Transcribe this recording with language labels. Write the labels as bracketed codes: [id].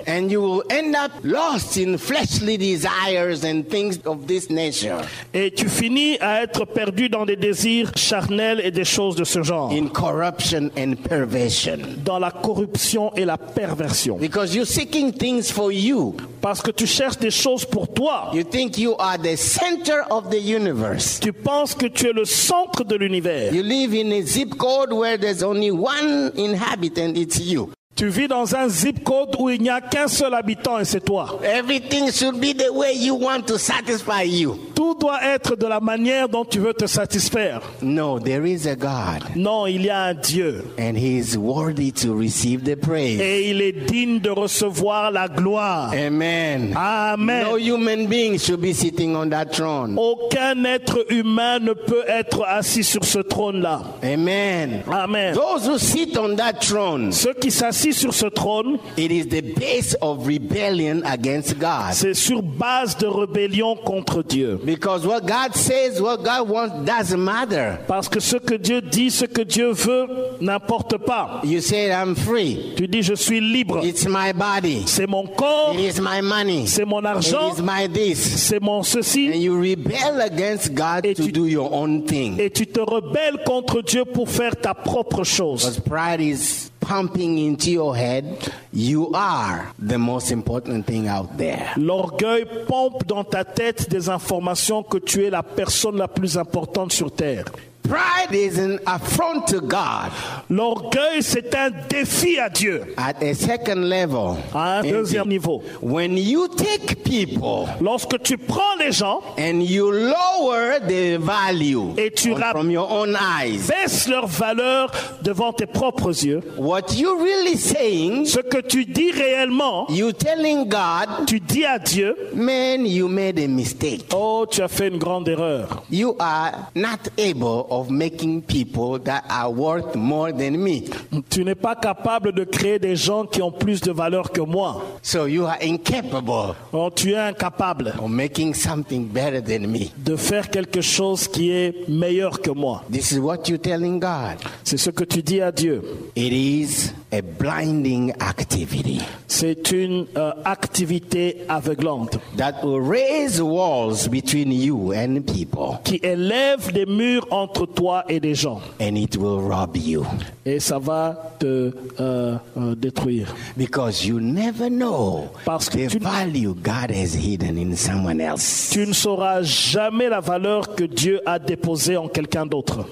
[en] and you will end up lost in fleshly desires and things of this nature. [fr] Et tu finis à être perdu dans des désirs charnels et des choses de ce genre. [en] In corruption and perversion. [fr] Dans la corruption et la perversion. [en] Because you're seeking things for you. [fr] Parce que tu cherches des choses pour toi. [en] You think you are the center of the universe. [fr] Tu penses que tu es le centre de l'univers. [en] You live in a zip code where there's only one inhabitant, it's you. [fr] Tu vis dans un zip code où il n'y a qu'un seul habitant et c'est toi. [en] Everything should be the way you want to satisfy you. [fr] Tout doit être de la manière dont tu veux te satisfaire. [en] No, there is a God. [fr] Non, il y a un Dieu. [en] And he is worthy to receive the praise. [fr] Et il est digne de recevoir la gloire. [en] Amen. [fr] Amen. [en] No human being should be sitting on that throne. [fr] Aucun être humain ne peut être assis sur ce trône-là. [en] Amen. [fr] Amen. [en] Those who sit on that throne. [fr] Ceux qui assis sur ce trône, [en] it is the base of rebellion against God. [fr] C'est sur base de rébellion contre Dieu. [en] Because what God says, what God wants, doesn't matter. [fr] Parce que ce que Dieu dit, ce que Dieu veut, n'importe pas. [en] You say I'm free. [fr] Tu dis je suis libre. [en] It's my body. [fr] C'est mon corps. [en] It is my money. [fr] C'est mon argent. [en] It is my this. [fr] C'est mon ceci. [en] And you rebel against God to do your own thing. [fr] Et tu te rebelles contre Dieu pour faire ta propre chose. [en] Because pride is pumping into your head, you are the most important thing out there. [fr] L'orgueil pompe dans ta tête des informations que tu es la personne la plus importante sur terre. [en] Pride is an affront to God. [fr] L'orgueil, c'est un défi à Dieu. [en] At a second level. [fr] À un deuxième niveau. [en] When you take people, [fr] lorsque tu prends les gens, [en] and you lower the value, [fr] et tu [en] from your own eyes, [fr] baisses leur valeur devant tes propres yeux. [en] What you really saying? [fr] Ce que tu dis réellement. [en] You telling God? [fr] Tu dis à Dieu. [en] Man, you made a mistake. [fr] Oh, tu as fait une grande erreur. [en] You are not able of making people that are worth more than me. [fr] Tu n'es pas capable de créer des gens qui ont plus de valeur que moi. [en] So you are incapable. [fr] Oh, tu es incapable. [en] Of making something better than me. [fr] De faire quelque chose qui est meilleur que moi. [en] This is what you're telling God. [fr] C'est ce que tu dis à Dieu. [en] It is a blinding activity. [fr] C'est une activité aveuglante. [en] That will raise walls between you and people. [fr] Qui élève des murs entre toi et des gens. [en] And it will rob you. [fr] Et ça va te détruire. [en] Because you never know. [fr] Parce que [en] the value God has hidden in someone else. [fr] Tu ne sauras jamais la valeur que Dieu a déposée en quelqu'un d'autre.